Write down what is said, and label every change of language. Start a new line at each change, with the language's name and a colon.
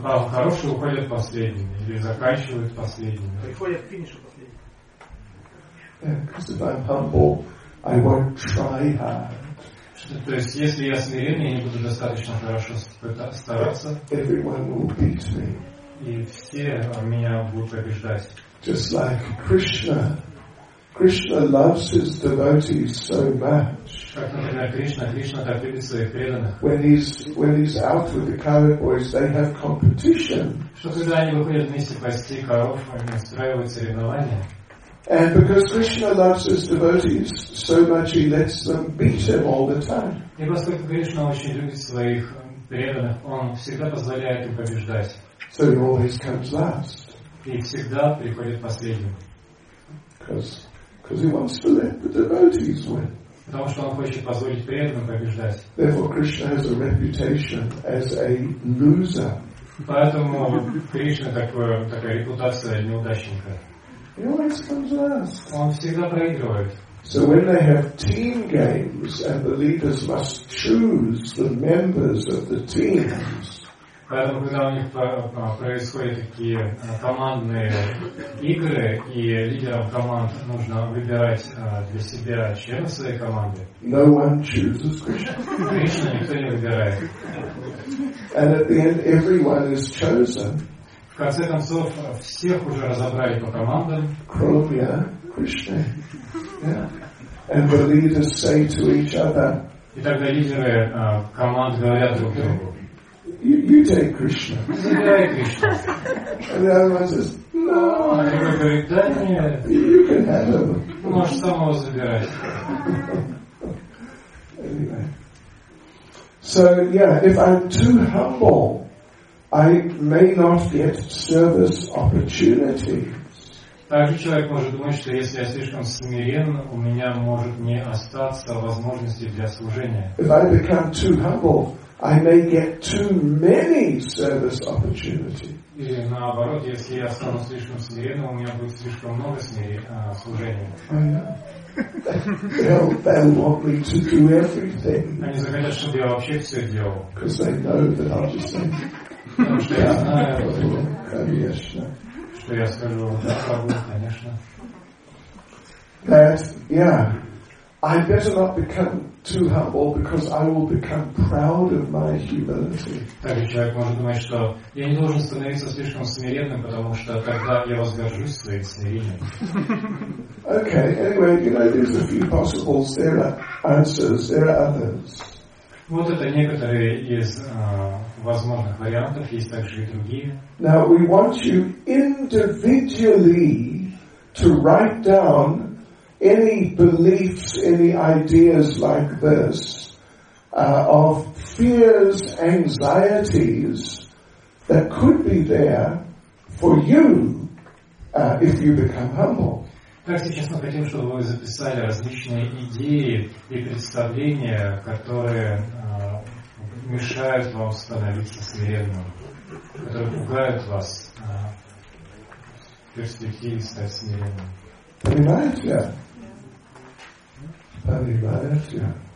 Russian: Хорошие уходят последними или заканчивают последними. Приходят к финишу последними.
English: Because if I'm humble, I won't try hard.
Russian: То есть, если я смиренный, я не буду достаточно хорошо стараться.
English: Everyone will beat me.
Russian: И все меня будут побеждать.
English: Just like Krishna. Krishna loves his devotees so much.
Russian: Как, например, Кришна так любит своих преданных.
English: When he's out with the cowherd boys, they have competition.
Russian: Что когда они выходят вместе пасти коров, они устраивают соревнования.
English: And because Krishna loves his devotees so much, he lets them beat him all the time.
Russian: И поскольку Кришна очень любит своих преданных, он всегда позволяет им побеждать.
English: So he always comes last.
Russian: И всегда приходит последним.
English: Because he wants to let the devotees win.
Russian: Потому что он хочет позволить преданным побеждать.
English: Therefore, Krishna has a reputation as a loser.
Russian: Поэтому Кришна такая репутация неудачника.
English: He always comes last.
Russian: Он всегда проигрывает.
English: So when they have team games and the leaders must choose the members of the teams.
Russian: Поэтому когда у них происходят такие командные игры и лидерам команд нужно выбирать для себя членов своей команды.
English: No one chooses Krishna.
Russian: Кришна никто не выбирает.
English: And at the end, everyone is chosen.
Russian: В конце концов, всех уже разобрали по командам. Кроме Кришны.
English: And the leaders say to each other.
Russian: И тогда лидеры команд говорят друг другу.
English: You take Krishna.
Russian: Забирай Кришну.
English: And the other one says, no.
Russian: А другой говорит, да нет.
English: You can have him.
Russian: Можешь самого забирать.
English: Anyway. So, yeah, if I'm too humble, I may not get service opportunities.
Russian: Также человек может думать, что если я слишком смирен, у меня может не остаться возможности для служения.
English: If I become too humble, I may get too many service opportunities.
Russian: И наоборот, если я стану слишком смиренным, у меня будет слишком много служения.
English: They want me to do everything.
Russian: Они захотят, чтобы я вообще все делал.
English: Because they know that I'll just say.
Russian: Что я знаю, что я скажу, конечно.
English: That, yeah, I better not become too humble because I will become proud of my humility.
Russian: Так человек может думать, что я не должен становиться слишком смиренным, потому что тогда я возгоржусь своим смирением.
English: Okay, anyway, you know, there's a few possible there answers, there are others.
Russian: Вот это некоторые из возможных вариантов, есть также и другие.
English: Now we want you individually to write down any beliefs, any ideas like this, of fears, anxieties that could be there for you if you become humble.
Russian: Так сейчас мы хотим, чтобы вы записали различные идеи и представления, которые мешают вам становиться смиренным, которые пугают вас в перспективе стать смиренным. Понимаете? Понимаете?